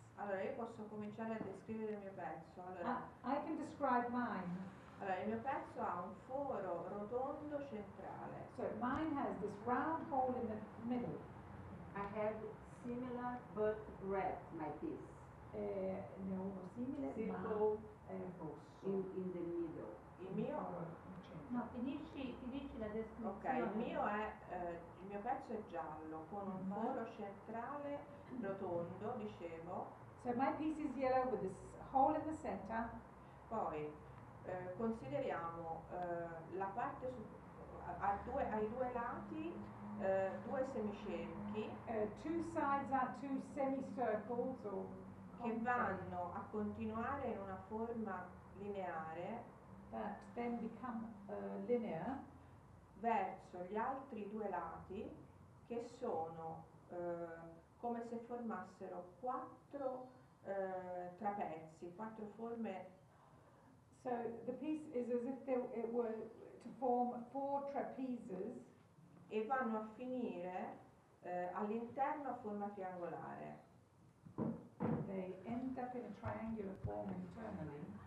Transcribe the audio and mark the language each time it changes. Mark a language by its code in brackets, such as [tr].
[it] Allora, io posso cominciare a descrivere il mio pezzo. Allora, [en] I can describe mine. [it] Allora, il mio pezzo ha un foro rotondo centrale. [en] So mine has this round hole in the middle. I have similar but red my piece. [it] Ne ho uno simile, [en] circle, [it] ma [en] rosso. In the middle. [it] Il mio no, finisci la descrizione. Ok, il mio pezzo è giallo con un foro centrale rotondo, dicevo. [en] So my piece is yellow with this hole in the center. [it] Poi consideriamo la parte su ai due lati due semicerchi. [en] Two sides are two semicircles or [it] che vanno a continuare in una forma lineare. [en] That then become linear [it] verso gli altri due lati che sono come se formassero quattro trapezi, quattro forme. [en] So the piece is as if it were to form four trapezes [it] e vanno a finire all'interno a forma triangolare. [en] They end up in a triangular form internally.